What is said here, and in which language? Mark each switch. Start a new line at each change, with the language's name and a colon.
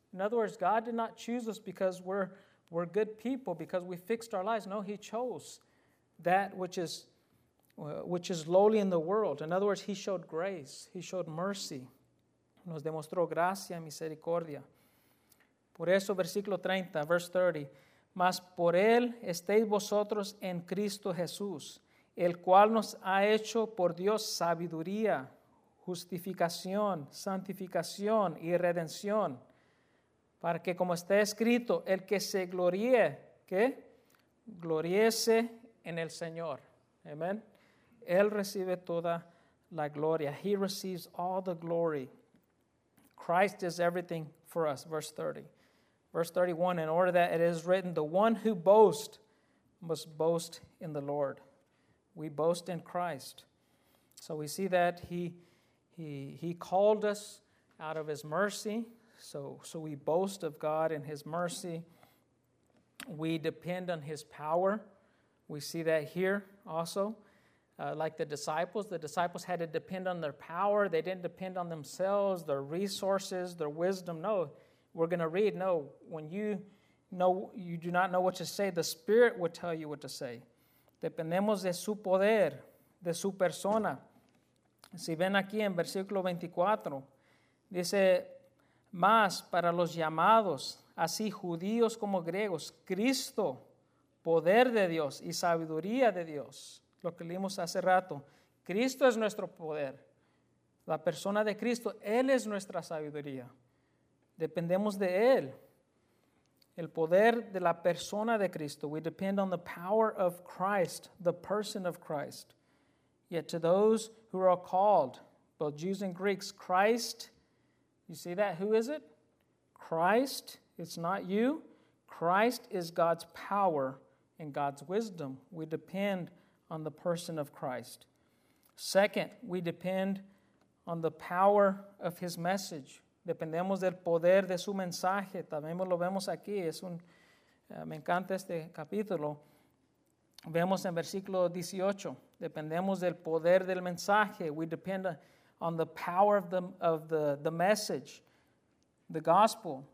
English: In other words, God did not choose us because we're good people, because we fixed our lives. No, He chose that which is lowly in the world. In other words, He showed grace. He showed mercy.
Spanish: Nos demostró gracia y misericordia. Por eso, versículo 30,
English: verse 30,
Spanish: mas por Él estéis vosotros en Cristo Jesús, el cual nos ha hecho por Dios sabiduría, justificación, santificación y redención, Para que como está escrito, el que se gloríe, ¿qué? Gloríese en el Señor. Amén. Él recibe toda la gloria.
English: He receives all the glory. Christ is everything for us. Verse 30. Verse 31, in order that it is written, the one who boasts must boast in the Lord. We boast in Christ. So we see that he called us out of his mercy. So we boast of God in his mercy. We depend on his power. We see that here also. Like the disciples had to depend on their power. They didn't depend on themselves, their resources, their wisdom. No, we're going to read. No, when you know, you do not know what to say, the Spirit would tell you what to say.
Spanish: Dependemos de su poder, de su persona. Si ven aquí en versículo 24, dice, más para los llamados, así judíos como griegos, Cristo, poder de Dios y sabiduría de Dios. Lo que leímos hace rato, Cristo es nuestro poder. La persona de Cristo, Él es nuestra sabiduría. Dependemos de Él. El poder de la persona de Cristo.
English: We depend on the power of Christ, the person of Christ. Yet to those who are called, both Jews and Greeks, Christ, you see that? Who is it? Christ, it's not you. Christ is God's power and God's wisdom. We depend on the person of Christ. Second, we depend on the power of his message.
Spanish: Dependemos del poder de su mensaje. También lo vemos aquí. Me encanta este capítulo. Vemos en versículo 18. Dependemos del poder del mensaje.
English: We depend on the power of the message, the gospel.